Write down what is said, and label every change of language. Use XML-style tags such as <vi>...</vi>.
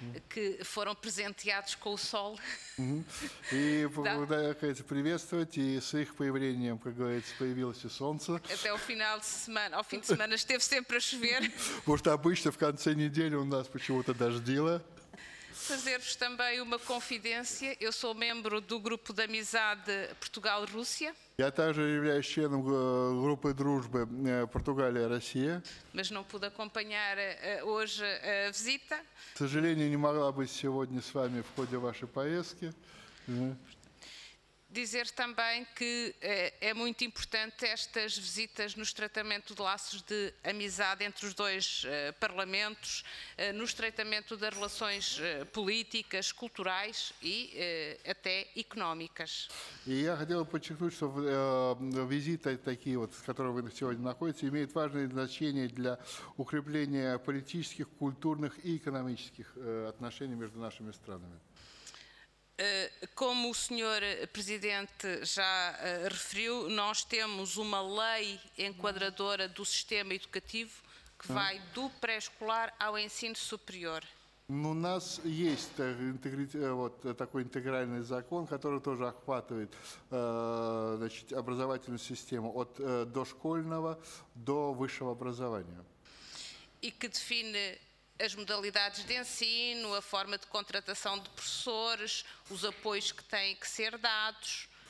<pt>Que foram presenteados com o sol. E poder</pt> <ru>приветствовать e с их появлением, как говорится, появилось и солнце.</ru> <pt>Até ao final de semana, ao fim de semana esteve sempre a chover.</pt> <ru>Porque обычно в конце недели у нас почему-то дождило.</ru> <pt>Fazer-vos também uma confidência, eu sou membro do grupo de amizade Portugal-Rússia.</pt> <ru>Я также являюсь членом группы дружбы Португалия-Россия.</ru> <pt>Mas não pude acompanhar hoje a visita.</pt> <ru>К сожалению, не могла быть сегодня с вами в ходе вашей поездки.</ru> <pt>Dizer também que é muito importante estas visitas no estreitamento de laços de amizade entre os dois parlamentos, no estreitamento das relações políticas, culturais e até económicas. E eu</pt> <ru>хотел подчеркнуть, что визиты такие вот, с которыми вы сегодня находитесь, имеют важное значение для укрепления политических, культурных и экономических отношений между нашими странами.</ru> <pt>Como o senhor Presidente já referiu, nós temos uma lei enquadradora do sistema educativo que vai do pré-escolar ao ensino superior. No nós</pt> <ru>есть такой интегральный закон, который тоже охватывает значит, образовательную систему от дошкольного до высшего образования.</ru> <pt>E que define as modalidades de ensino, a forma de contratação de professores, os apoios que têm que ser dados.</pt>